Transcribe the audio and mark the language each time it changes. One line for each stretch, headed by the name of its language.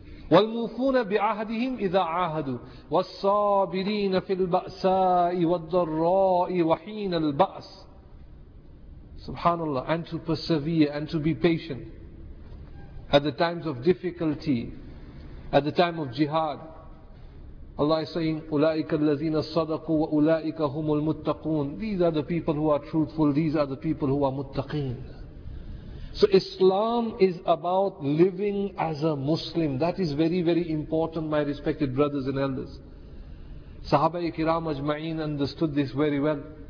Arabic: وَالْمُوفُونَ بِعَهْدِهِمْ إِذَا عَهَدُوا وَالصَّابِرِينَ فِي الْبَأْسَاءِ وَالضَّرَّاءِ وَحِينَ الْبَأْسِ.
English: Subhanallah, and to persevere and to be patient at the times of difficulty, at the time of jihad. Allah is saying,
Arabic: أُولَٰئِكَ الَّذِينَ صَدَقُوا وَأُولَٰئِكَ هُمُ الْمُتَّقُونَ.
English: These are the people who are truthful, these are the people who are muttaqeen. So Islam is about living as a Muslim. That is very, very important, my respected brothers and elders. Sahaba-e-kiram ajma'een understood this very well.